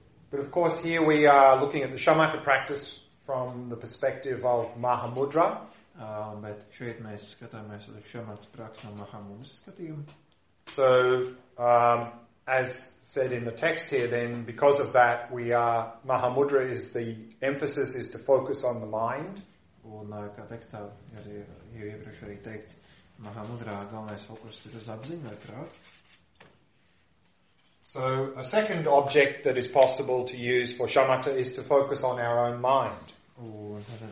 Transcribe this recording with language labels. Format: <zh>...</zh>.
<en>But of course here we are looking at the shamatha practice from the perspective of mahamudra. But</en> <lv>šeit mēs skatāmies uz šamatas praksi no mahamudras skatījuma.</lv> <en>So, as said in the text here, then because of that we are mahamudra is the emphasis is to focus on the mind.</en> <lv>Un kā tekstā jau iepriekš arī teikts, mahamudra galvenais fokus ir uz apziņu vai prātu.</lv> <en>So a second object that is possible to use for shamatha is to focus on our own mind.</en>